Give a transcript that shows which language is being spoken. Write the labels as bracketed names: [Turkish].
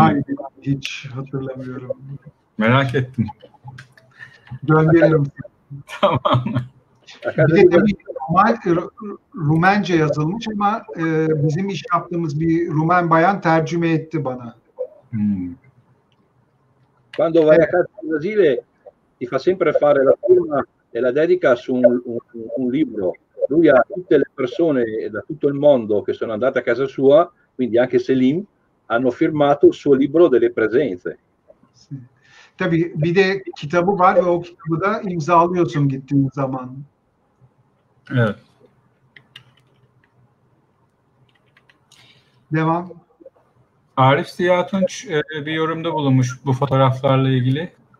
[Turkish] Hayır, hiç hatırlamıyorum. Merak ettim. Gönderirim. Tamam. Bir de demiş, normal Rumence yazılmış ama bizim iş yaptığımız bir Rumen bayan tercüme etti bana. [Italian] Quando vai a casa di Vasile ti fa sempre fare la firma e la dedica su un libro. Lui ha tutte le persone da tutto il mondo che sono andate a casa sua, quindi anche Selim, hanno firmato il suo libro delle presenze. Sì. [Turkish] Tabi, bir de kitabı var ve o kitabı da imzalıyorsun gittiğin zaman. Evet. Devam. Arif Ziya Tunç bir yorumda bulunmuş bu fotoğraflarla ilgili.